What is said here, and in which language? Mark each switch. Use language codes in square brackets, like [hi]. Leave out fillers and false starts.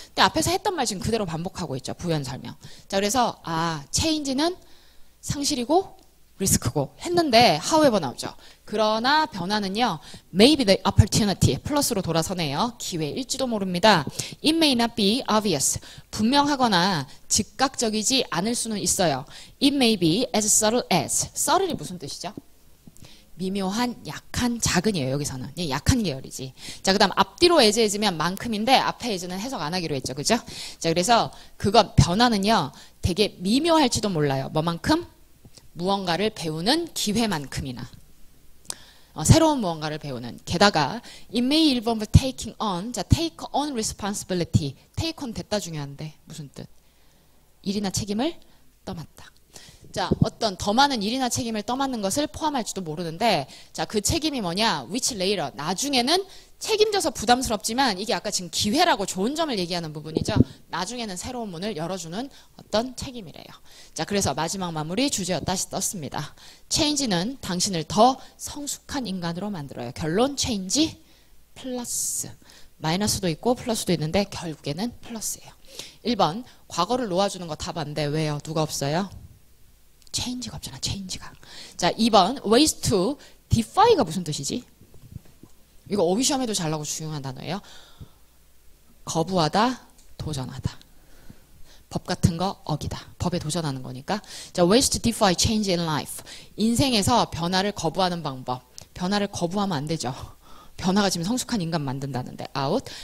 [ko] 근데 앞에서 했던 말 지금 그대로 반복하고 있죠. 부연 설명. 자, 그래서, 아, 체인지는 상실이고 리스크고 했는데, however 나오죠. 그러나 변화는요, [en] maybe the opportunity, [ko] 플러스로 돌아서네요. 기회일지도 모릅니다. [en] It may not be obvious, [ko] 분명하거나 즉각적이지 않을 수는 있어요. [en] It may be as subtle as, subtle이 [ko] 무슨 뜻이죠? 미묘한, 약한, 작은이에요, 여기서는. 약한 계열이지. 자, 그 다음 앞뒤로 as, as면 만큼인데 앞에 as는 해석 안 하기로 했죠. 그죠? 자, 그래서 그것 변화는요, 되게 미묘할지도 몰라요. 뭐만큼? 무언가를 배우는 기회만큼이나. 새로운 무언가를 배우는. 게다가 [en] it may involve taking on, 자, take on responsibility. [ko] take on 됐다 중요한데. 무슨 뜻? 일이나 책임을 떠맡다. 자, 어떤 더 많은 일이나 책임을 떠맡는 것을 포함할지도 모르는데, 자, 그 책임이 뭐냐? [en] Which later, [ko] 나중에는 책임져서 부담스럽지만, 이게 아까 지금 기회라고 좋은 점을 얘기하는 부분이죠. 나중에는 새로운 문을 열어주는 어떤 책임이래요. 자, 그래서 마지막 마무리 주제어 다시 떴습니다. Change는 당신을 더 성숙한 인간으로 만들어요. 결론, change 플러스. 마이너스도 있고 플러스도 있는데 결국에는 플러스예요. 1번, 과거를 놓아주는 거 답 안 돼. 왜요? 누가 없어요? 체인지가 없잖아, 체인지가. 자, 2번, [en] ways to defy [ko] 가 무슨 뜻이지? 이거 어휘시험에도 잘 나오고 중요한 단어예요. 거부하다, 도전하다. 법 같은 거 어기다. 법에 도전하는 거니까. [en] 자, ways to defy change in life. [ko] 인생에서 변화를 거부하는 방법. 변화를 거부하면 안 되죠. 변화가 지금 성숙한 인간 만든다는데, out.